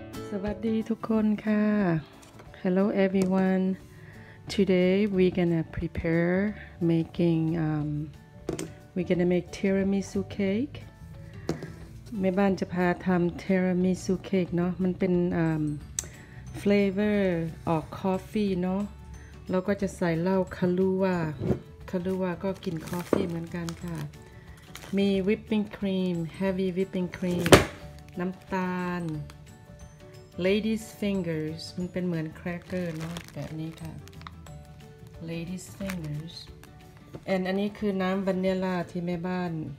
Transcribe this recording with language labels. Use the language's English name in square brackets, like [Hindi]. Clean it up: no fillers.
[Thai] สวัสดีทุกคนค่ะ [English] Hello everyone. Today we're gonna prepare making we're gonna make tiramisu cake. [Thai] แม่บ้านจะพาทำ tiramisu cake เนาะมันเป็น flavor ออก coffee เนาะแล้วก็จะใส่เหล้าคาลูวาคาลูวาก็กิน coffee เหมือนกันค่ะมี whipping cream heavy whipping cream น้ำตาลLady's fingers มันเป็นเหมือนแครกเกอร์เนาะแบบนี้ค่ะ Lady's fingers and อันนี้คือน้ำวานิลาที่แม่บ้าน